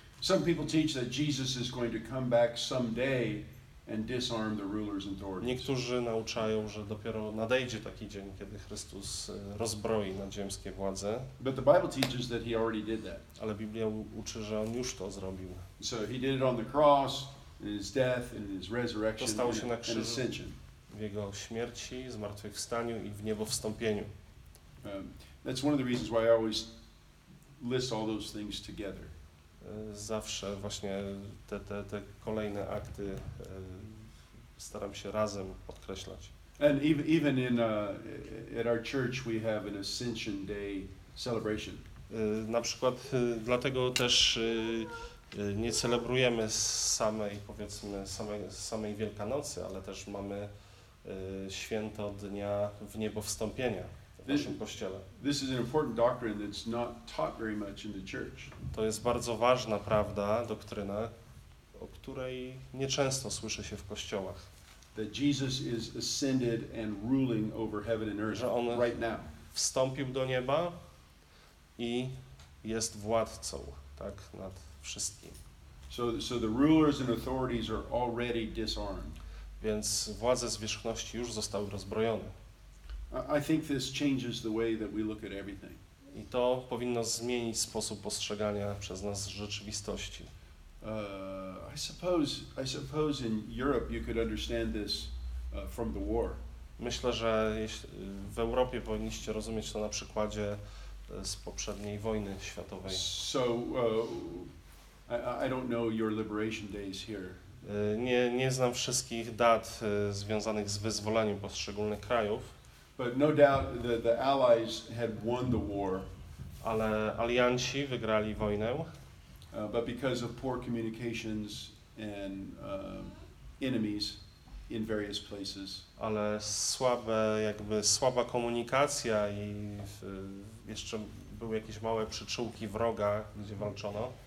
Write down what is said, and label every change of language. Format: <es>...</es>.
<en>Some people teach that Jesus is going to come back someday and disarm the rulers and authorities.</en> <pl>Niektórzy nauczają, że dopiero nadejdzie taki dzień, kiedy Chrystus rozbroi nadziemskie władze.</pl> <en>But the Bible teaches that he already did that.</en> <pl>Ale Biblia uczy, że on już to zrobił.</pl> <en>So he did it on the cross, in his death, in his resurrection, and ascension.</en> <pl>To stało się na krzyżu, w jego śmierci, zmartwychwstaniu i w niebowstąpieniu.</pl> <en>That's one of the reasons why I always list all those things together.</en> <pl>Zawsze właśnie te kolejne akty staram się razem podkreślać.</pl> <en>And even in at our church we have an Ascension Day celebration.</en> <pl>Na przykład dlatego też nie celebrujemy samej, powiedzmy, samej Wielkanocy, ale też mamy święto dnia wniebowstąpienia.</pl> <en>This is an important doctrine that's not taught very much in the church.</en> <pl>To jest bardzo ważna prawda, doktryna, o której nieczęsto słyszy się w kościołach.</pl> <en>That Jesus is ascended and ruling over heaven and earth right now.</en> <pl>Wstąpił do nieba i jest władcą, tak, nad wszystkim.</pl> <en>So the rulers and authorities are already disarmed.</en> <pl>Więc władze zwierzchności już zostały rozbrojone.</pl> <en>I think this changes the way that we look at everything.</en> <pl>I to powinno zmienić sposób postrzegania przez nas rzeczywistości.</pl> <en>I suppose in Europe you could understand this from the war.</en> <pl>Myślę, że w Europie powinniście rozumieć to na przykładzie z poprzedniej wojny światowej.</pl> <en>So I don't know your liberation days here.</en> <pl>Nie znam wszystkich dat związanych z wyzwoleniem poszczególnych krajów.</pl> <en>But no doubt the Allies had won the war.</en> <pl>Ale alianci wygrali wojnę.</pl> <en>But because of poor communications and enemies in various places.</en> <pl>Ale słaba komunikacja i jeszcze były jakieś małe przyczółki wroga, gdzie walczono.</pl>